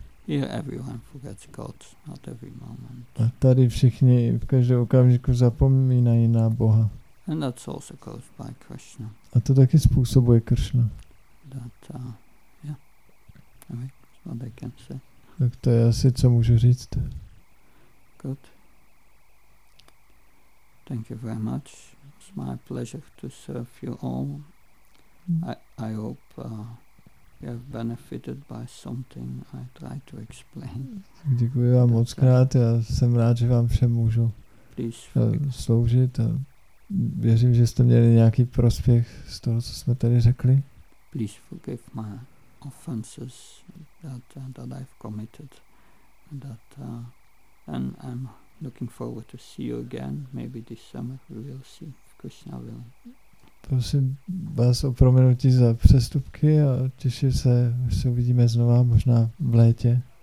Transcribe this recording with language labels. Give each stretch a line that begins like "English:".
English: Here everyone forgets God, not every moment.
Czech: A tady všichni v každém okamžiku zapomínají na Boha.
English: And that's also caused by Krishna.
Czech: A to taky způsobuje Krishna.
English: That, yeah. All right. What I can say.
Czech: Tak to je asi, co můžu říct.
English: Good. Thank you very much. It's my pleasure to serve you all. I hope you have benefited by something I try to explain.
Czech: Děkuji vám moc krát, já jsem rád, že vám všem můžu sloužit a věřím, že jste měli nějaký prospěch z toho, co jsme tady řekli.
English: Please forgive my offenses that I've committed and I'm looking forward to see you again. Maybe this summer we will see if Krishna will.
Czech: Prosím vás o prominutí za přestupky a těším se, až se uvidíme znova, možná v létě.